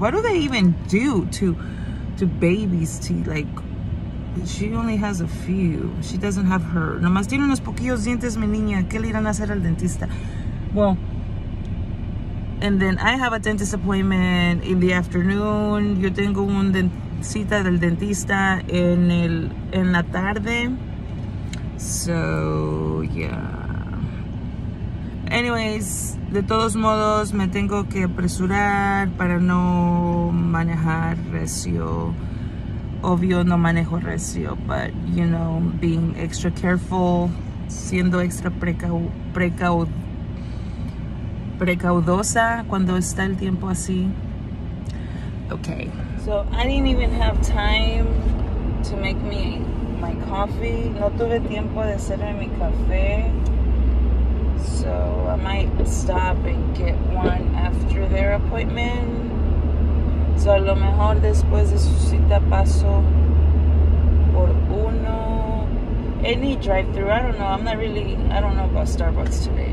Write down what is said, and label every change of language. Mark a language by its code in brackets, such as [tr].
[en] What do they even do to babies' teeth? Like, she only has a few. She doesn't have her. [es] Nomás tiene unos poquillos dientes, mi niña. ¿Qué le irán a hacer al dentista? [en] Well, and then I have a dentist appointment in the afternoon. [es] Yo tengo un cita del dentista en la tarde. [en] So, yeah. Anyways, [es] de todos modos, me tengo que apresurar para no manejar recio. Obvio, no manejo recio, [en] but, you know, being extra careful, [es] siendo extra precaudosa cuando está el tiempo así. Okay. [en] So I didn't even have time to make me my coffee. [es] No tuve tiempo de hacerme mi café. [en] So I might stop and get one after their appointment. [es] So a lo mejor después de su cita paso por uno. [en] Any drive-through, I don't know. I'm not really, I don't know about Starbucks today.